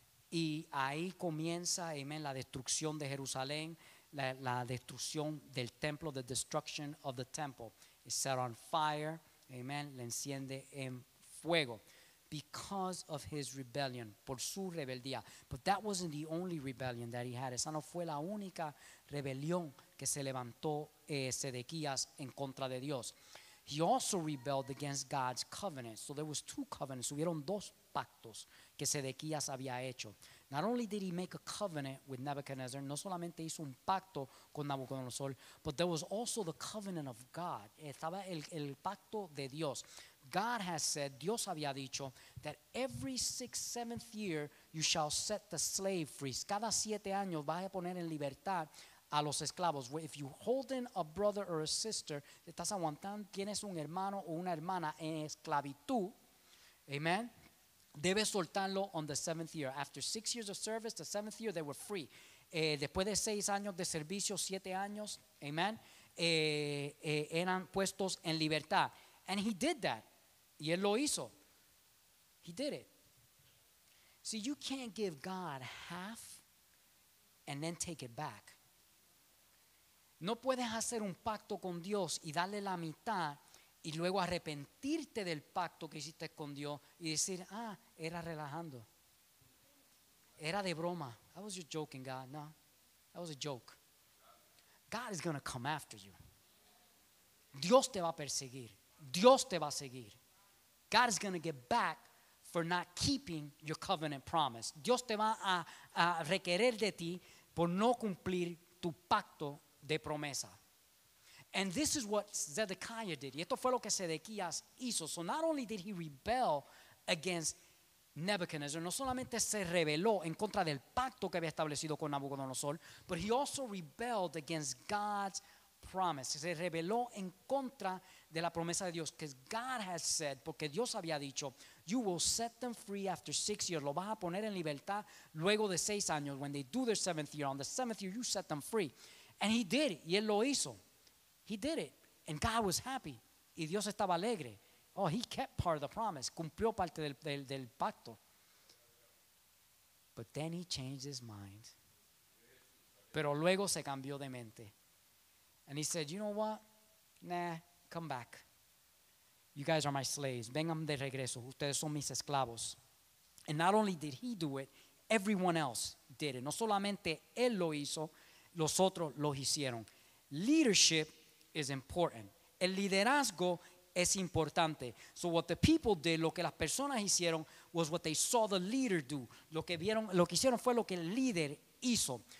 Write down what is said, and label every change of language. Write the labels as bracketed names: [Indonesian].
[Spanish] Y ahí comienza, amen, la destrucción de Jerusalén, la destrucción del templo, [English] the destruction of the temple. It's set on fire. Amen. [Spanish] Le enciende en fuego. [English] Because of his rebellion, [Spanish] por su rebeldía. [English] But that wasn't the only rebellion that he had. [Spanish] Esa no fue la única rebelión que se levantó Sedequías en contra de Dios. [English] He also rebelled against God's covenant. So there was two covenants. [Spanish] Hubieron dos pactos que Sedequías había hecho. [English] Not only did he make a covenant with Nebuchadnezzar, [Spanish] no solamente hizo un pacto con Nabucodonosor, [English] but there was also the covenant of God. [Spanish] Estaba el pacto de Dios. [English] God has said, [Spanish] Dios había dicho, [English] that every sixth, seventh year you shall set the slave free. [Spanish] Cada siete años vas a poner en libertad a los esclavos. [English] If you holding a brother or a sister, [Spanish] estás aguantando, tienes un hermano o una hermana en esclavitud, amen, debes soltarlo [English] on the seventh year. After 6 years of service, the seventh year they were free. [Spanish] Después de 6 años de servicio, 7 años, amen, eran puestos en libertad. [English] And he did that. [Spanish] Y él lo hizo. [English] He did it. See, you can't give God half and then take it back. [Spanish] No puedes hacer un pacto con Dios y darle la mitad y luego arrepentirte del pacto que hiciste con Dios y decir, ah, era relajando. Era de broma. [English] I was just joking, God. No, that was a joke. God is going to come after you. Dios te va a perseguir. [Spanish] Dios te va a seguir. [English] God is going to get back for not keeping your covenant promise. [Spanish] Dios te va a requerir de ti por no cumplir tu pacto de promesa. [English] And this is what Zedekiah did. [Spanish] Y esto fue lo que Sedequías hizo. [English] So not only did he rebel against Nebuchadnezzar, [Spanish] no solamente se rebeló en contra del pacto que había establecido con Nabucodonosor, [English] but he also rebelled against God's promise. [Spanish] Se rebeló en contra de la promesa de Dios, [English] because God has said, [Spanish] porque Dios había dicho, [English] you will set them free after 6 years. [Spanish] Lo vas a poner en libertad luego de 6 años. [English] When they do their seventh year, on the seventh year, you set them free. And he did it. Y él lo hizo. He did it. And God was happy. [Spanish] Y Dios estaba alegre. [English] Oh, he kept part of the promise. [Spanish] Cumplió parte del pacto. [English] But then he changed his mind. [Spanish] Pero luego se cambió de mente. [English] And he said, you know what? Nah, come back. You guys are my slaves. [Spanish] Vengan de regreso. Ustedes son mis esclavos. [English] And not only did he do it, everyone else did it. [Spanish] No solamente él lo hizo, los otros lo hicieron. [English] Leadership is important. [Spanish] El liderazgo es importante. [English] So what the people did, [Spanish] lo que las personas hicieron, [English] was what they saw the leader do. [Spanish] Lo que vieron, lo que hicieron fue lo que el líder hizo.